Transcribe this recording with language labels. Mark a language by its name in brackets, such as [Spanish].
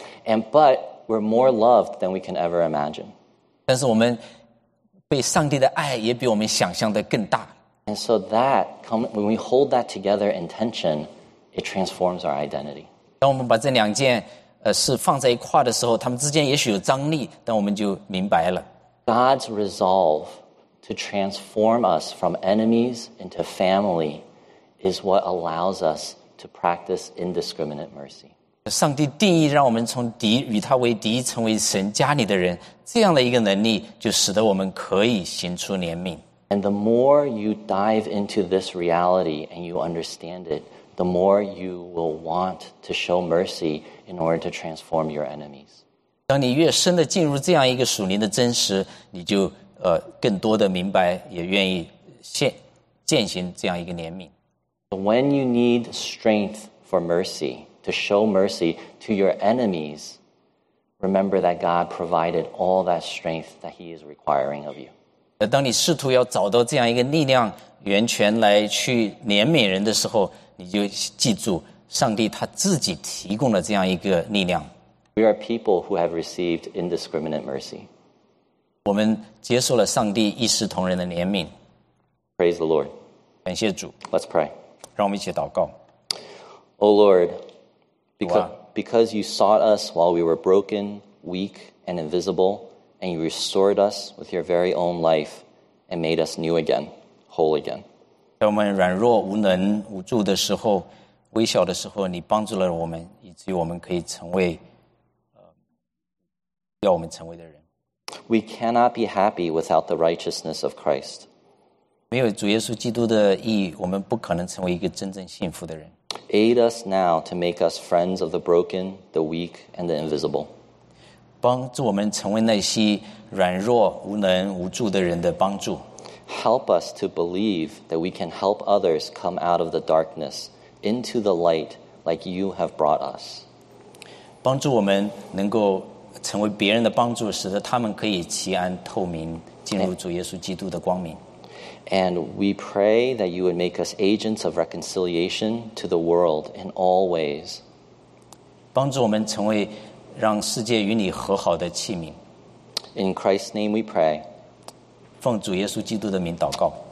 [English] And but we're more loved than we can ever imagine. [Chinese] 但是我们被上帝的爱也比我们想象的更大。 [English] And so that, when we hold that together in tension, it transforms our identity. [Chinese] 当我们把这两件事放在一块的时候，他们之间也许有张力，但我们就明白了。 [English] God's resolve to transform us from enemies into family is what allows us to practice indiscriminate mercy. [Chinese] 上帝定义让我们从敌与他为敌成为神家里的人，这样的一个能力就使得我们可以行出怜悯。 [English] And the more you dive into this reality and you understand it, the more you will want to show mercy in order to transform your enemies. [Chinese] 当你越深的进入这样一个属灵的真实，你就更多的明白，也愿意践行这样一个怜悯。 [English] When you need strength for mercy, to show mercy to your enemies, remember that God provided all that strength that he is requiring of you. [Chinese] 当你试图要找到这样一个力量源泉来去怜悯人的时候，你就记住上帝他自己提供了这样一个力量。 [English] We are people who have received indiscriminate mercy. [Chinese] 我们接受了上帝一视同仁的怜悯。 [English] Praise the Lord. [Chinese] 感谢主。 [English] Let's pray. [Chinese] 让我们一起祷告。 [English] Oh Lord, because you sought us while we were broken, weak, and invisible, and you restored us with your very own life and made us new again, whole again. [Chinese] 在我们软弱、无能、无助的时候、微小的时候，你帮助了我们，以至于我们可以成为要我们成为的人。 [English] We cannot be happy without the righteousness of Christ. [Chinese] 没有主耶稣基督的义，我们不可能成为一个真正幸福的人。 [English] Aid us now to make us friends of the broken, the weak, and the invisible. [Chinese] 帮助我们成为那些软弱、无能、无助的人的帮助。 [English] Help us to believe that we can help others come out of the darkness into the light like you have brought us. [Chinese] 帮助我们能够成为别人的帮助，使得他们可以其安透明，进入主耶稣基督的光明。 [English] And we pray that you would make us agents of reconciliation to the world in all ways. [Chinese] 帮助我们成为让世界与你和好的器皿。 [English] In Christ's name we pray. [Chinese] 奉主耶稣基督的名祷告。